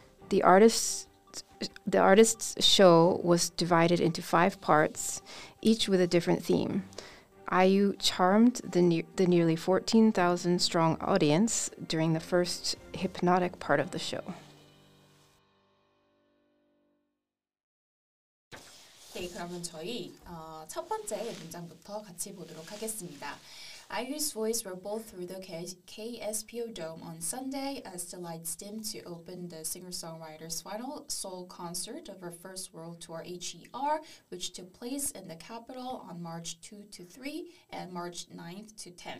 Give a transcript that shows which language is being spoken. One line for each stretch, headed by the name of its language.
English: The artist's show was divided into five parts, each with a different theme. IU charmed the nearly 14,000 strong audience during the first hypnotic part of the show.
Korean: Okay, 그러면 저희 첫 번째 문장부터 같이 보도록 하겠습니다.
English: IU's voice rippled through the KSPO dome on Sunday as the lights dimmed to open the singer-songwriter's final Seoul concert of her first world tour, HER, which took place in the capital on March 2-3 and March 9-10.